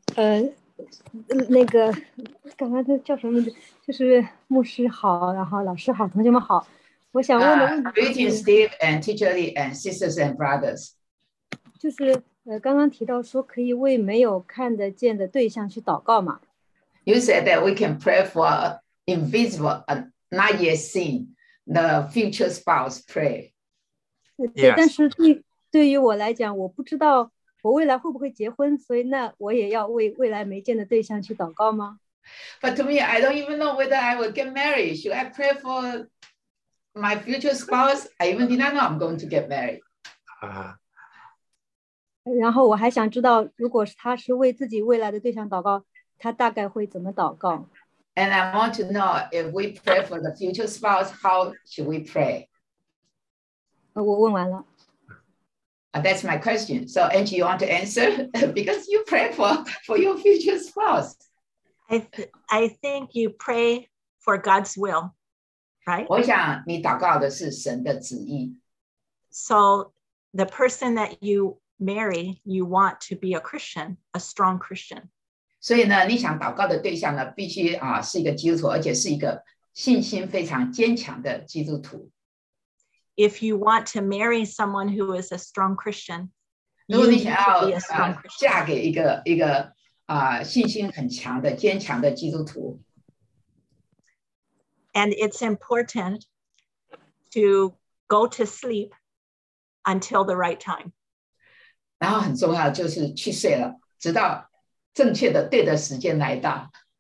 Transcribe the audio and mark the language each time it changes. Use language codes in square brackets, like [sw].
[zh] 那个，刚刚他叫什么名字？就是牧师好，然后老师好，同学们好。我想问的问题 [en] Greetings, Steve and Teacher Lee and sisters and brothers. [zh] 就是刚刚提到说可以为没有看得见的对象去祷告嘛？ [en] You said that we can pray for invisible, not yet seen, the future spouse pray. [zh] 对，但是对于我来讲，我不知道我未来会不会结婚，所以那我也要为未来没见的对象去祷告吗？ [en] But to me, I don't even know whether I will get married. Should I pray for my future spouse? I even did not know I'm going to get married. [zh] 然后我还想知道，如果他是为自己未来的对象祷告，他大概会怎么祷告？ [en] And I want to know if we pray for the future spouse, how should we pray? [zh] 我问完了。 [en] That's my question. So, Angie, you want to answer? Because you pray for your future spouse. I think you pray for God's will, right? [zh] 我想你祷告的是神的旨意。 [en] So, the person that you marry, you want to be a Christian, a strong Christian. [zh] 所以呢，你想祷告的对象呢，必须啊是一个基督徒，而且是一个信心非常坚强的基督徒。 [en] If you want to marry someone who is a strong Christian, you need to be a strong Christian. [zh] 嫁给一个信心很强的坚强的基督徒。 [en] And it's important to go to sleep until the right time. [zh] 然后很重要就是去睡了，直到正确的对的时间来到。